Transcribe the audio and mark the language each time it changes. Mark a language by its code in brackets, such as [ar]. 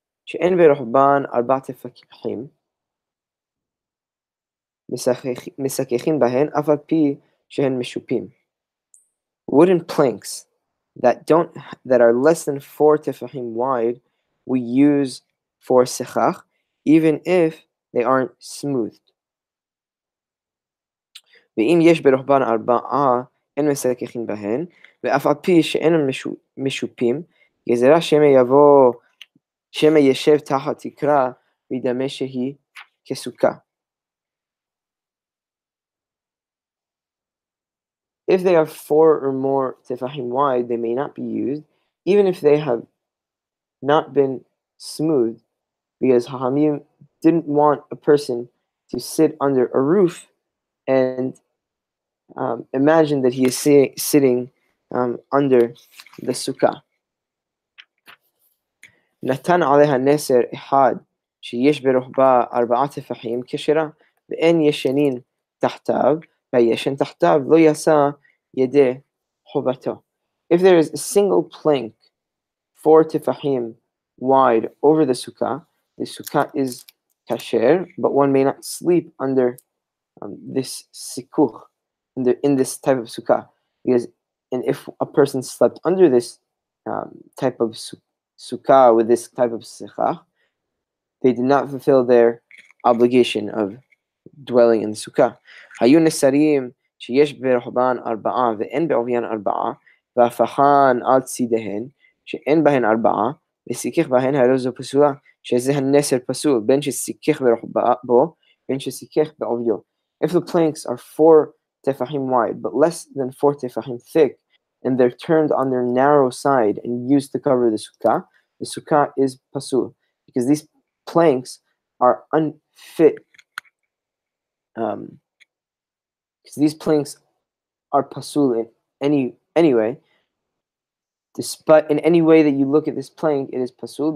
[he] שאין ברוחבן ארבעת הפקחים, מסככים בהן אף על פי שהן משופים. [en] Wooden planks that are less than four tefachim wide, we use for sechach, even if they aren't smoothed. [he] ואם יש ברוחבן ארבעה, אין מסככים בהן, ואף על פי שאין משופים, גזרה שמא יבוא שמא יישב תחת תקרה וידמה שהיא כסוכה. [en] If they are four or more tefachim wide, they may not be used, even if they have not been smooth, because Hachamim didn't want a person to sit under a roof and imagine that he is sitting under the sukkah. [he] נתן עליה נסר אחד שיש ברוחבה ארבעה תפחים כשרה, ואין ישנין תחתיו, והישן תחתיו לא יעשה ידי חובתו. [en] If there is a single plank, four tefachim wide over the sukkah is kasher, but one may not sleep under this sikuch, in this type of sukkah. And if a person slept under this type of sukkah with this type of sechach, they did not fulfill their obligation of dwelling in the sukkah. [he] Hayu nesarim שיש ברוחבן ארבעה ואין בעוביין ארבעה והפכן על צידיהן שאין בהן ארבעה וסיכך בהן הרי זו פסולה שזה הנסר פסול בין שסיכך ברוחבה בו בין שסיכך בעוביו. [en] If the planks are four tefachim wide but less than four tefachim thick and they're turned on their narrow side and used to cover the sukkah is pasul because these planks are unfit. Because these planks are pasul in any way, despite in any way that you look at this plank, it is pasul.